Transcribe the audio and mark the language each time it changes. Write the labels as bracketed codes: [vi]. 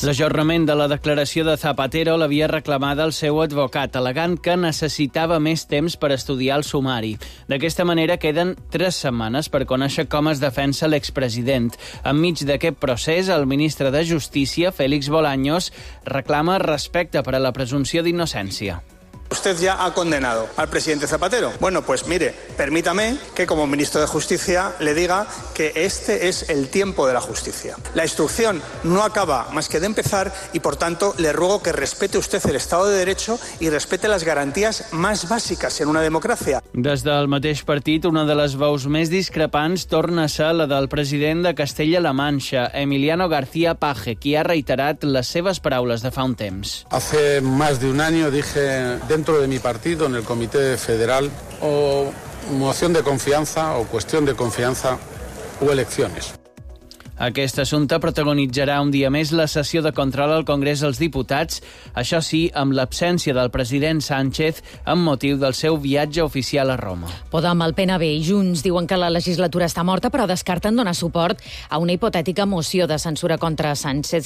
[ca] L'ajornament de la declaració de Zapatero l'havia reclamada el seu advocat, al·legant que necessitava més temps per estudiar el sumari. D'aquesta manera queden 3 setmanes per conèixer com es defensa l'expresident. Enmig d'aquest procés, el ministre de Justícia, Félix Bolaños, reclama respecte per a la presumpció d'innocència. [es] Usted ya ha condenado al presidente Zapatero. Bueno, pues mire, permítame que como ministro de Justicia le diga que este es el tiempo de la justicia. La instrucción no acaba más que de empezar y, por tanto, le ruego que respete usted el Estado de Derecho y respete las garantías más básicas en una democracia. [ca] Des del mateix partit, una de les veus més discrepants torna a ser la del president de Castella-La Mancha, Emiliano García Page, qui ha reiterat les seves paraules de fa un temps. [es] Hace más de un año dije... dentro de mi partido, en el Comité Federal, o moción de confianza o cuestión de confianza o elecciones. [ca] Aquest assumpte protagonitzarà un dia més la sessió de control al Congrés dels Diputats, això sí, amb l'absència del president Sánchez amb motiu del seu viatge oficial a Roma. Podem, el PNB i Junts diuen que la legislatura està morta, però descarten donar suport a una hipotètica moció de censura contra Sánchez.